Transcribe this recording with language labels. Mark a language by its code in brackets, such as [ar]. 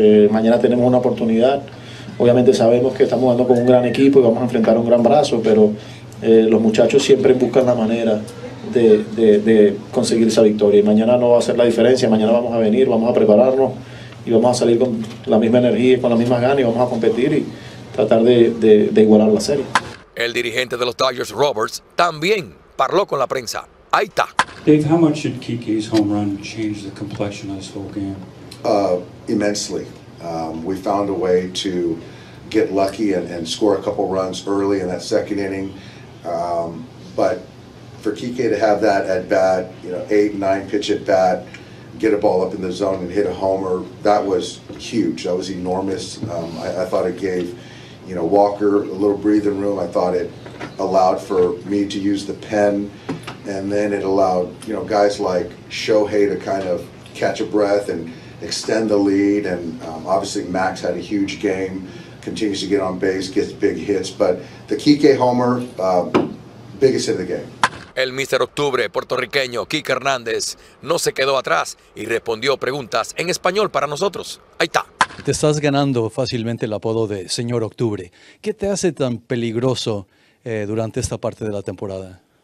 [es] Mañana tenemos una oportunidad. Obviamente sabemos que estamos jugando con un gran equipo y vamos a enfrentar un gran brazo, pero los muchachos siempre buscan la manera de conseguir esa victoria. Y mañana no va a ser la diferencia. Mañana vamos a venir, vamos a prepararnos y vamos a salir con la misma energía y con las mismas ganas y vamos a competir y tratar de igualar la serie. El dirigente de los Dodgers, Roberts, también habló con la prensa. Ahí está. [en] Dave, how much did Kiki's home run change the complexion of this whole game? Immensely. We found a way to get lucky and score a couple runs early in that second inning. But for Kiki to have that at bat, you know, 8-9 pitch at bat, get a ball up in the zone and hit a homer, that was huge. That was enormous. I thought it gave, you know, Walker a little breathing room. I thought it allowed for me to use the pen, and then it allowed, you know, guys like Shohei to kind of catch a breath and extend the lead. And obviously Max had a huge game, continues to get on base, gets big hits, but the Kike homer, biggest hit of the game. [es] El Mister Octubre puertorriqueño Kike Hernández no se quedó atrás y respondió preguntas en español para nosotros. Ahí está. Te estás ganando fácilmente el apodo de Señor Octubre. ¿Qué te hace tan peligroso durante esta parte de la temporada?